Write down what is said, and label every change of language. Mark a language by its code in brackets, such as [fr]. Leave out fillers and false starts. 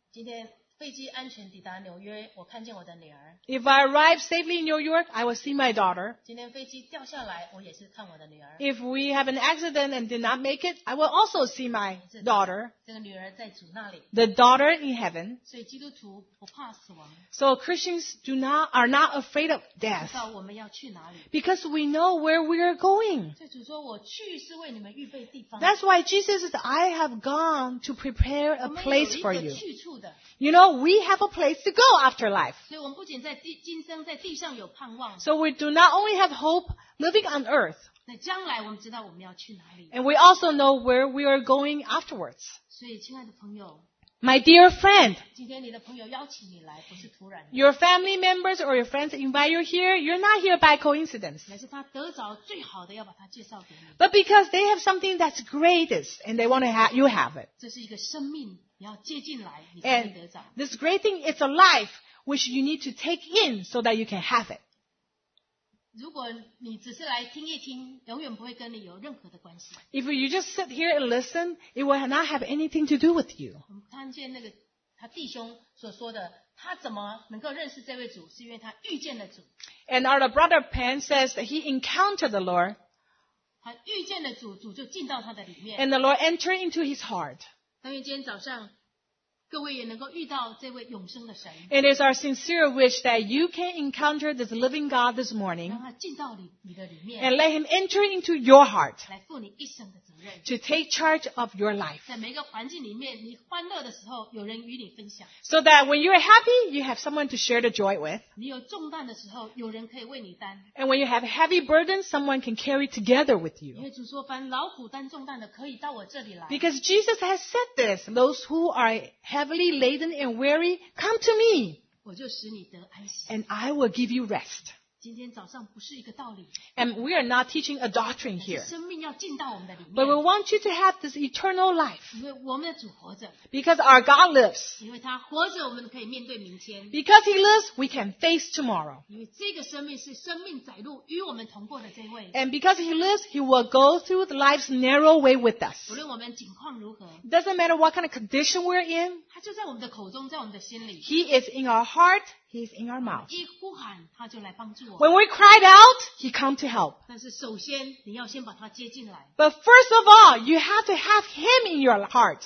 [zh] 今天。飞机安全抵达纽约，我看见我的女儿。 [en] If I arrive safely in New York, I will see my daughter. [zh] 今天飞机掉下来，我也是看我的女儿。 [en] If we have an accident and did not make it, I will also see my daughter. [zh] 这个女儿在主那里。 [en] The daughter in heaven. [zh] 所以基督徒不怕死亡。 [en] So Christians are not afraid of death. [zh] 知道我们要去哪里。 [en] Because we know where we are going. [zh] 所以主说我去是为你们预备地方。 [en] That's why Jesus said, I have gone to prepare a place for you. [zh] 我们有一个去处的。 [en] You know, we have a place to go after life. [zh] 所以我们不仅在地今生在地上有盼望。 [en] So we do not only have hope living on earth. [zh] 那将来我们知道我们要去哪里。 [en] And we also know where we are going afterwards. [zh] 所以亲爱的朋友。 [en] My dear friend, [zh] 今天你的朋友邀请你来，不是突然的。 [en] Your family members or your friends invite you here, you're not here by coincidence. [zh] 乃是他得着最好的要把他介绍给你。 [en] But because they have something that's greatest and they want to have, you have it. [zh] 这是一个生命你要接近来你才能得着。 [en] And this great thing is a life which you need to take in so that you can have it. [zh] 如果你只是来听一听永远不会跟你有任何的关系。 [en] If you just sit here and listen, it will not have anything to do with you. [zh] 我们看见那个他弟兄所说的他怎么能够认识这位主是因为他遇见了主。 [en] And our brother Pan says that he encountered the Lord. [zh] 他遇见了主主就进到他的里面。 [en] And the Lord entered into his heart. [zh] 当于今天早上各位也能够遇到这位永生的神。 [en] It is our sincere wish that you can encounter this living God this morning. [zh] 让他进到你的里面。 [en] And let him enter into your heart. [zh] 来负你一生的责任。 [en] To take charge of your life. [zh] 在每个环境里面你欢乐的时候有人与你分享。 [en] So that when you are happy, you have someone to share the joy with. [zh] 你有重担的时候有人可以为你担。 [en] And when you have a heavy burden, someone can carry together with you. [zh] 因为主说凡劳苦担重担的可以到我这里来。 [en] Because Jesus has said this, those who are heavily laden and weary, come to me, [zh] 我就使你得安息。 [en] And I will give you rest. [zh] 今天早上不是一个道理。 [en] And we are not teaching a doctrine here. [zh] 生命要进到我们的里面。 [en] But we want you to have this eternal life. [zh] 因为我们的主活着。 [en] Because our God lives. [zh] 因为他活着，我们可以面对明天。 [en] Because he lives, we can face tomorrow. [zh] 因为这个生命是生命载入与我们同过的这位。 [en] And because he lives, he will go through the life's narrow way with us. [zh] 无论我们境况如何。 [en] Doesn't matter what kind of condition we're in. [zh] 他就在我们的口中，在我们的心里。 [en] He is in our heart. He's in our mouth. [zh] 一呼喊，他就来帮助我。 [en] When we cried out, he came to help. [zh] 但是首先，你要先把他接进来。 [en] But first of all, you have to have him in your heart.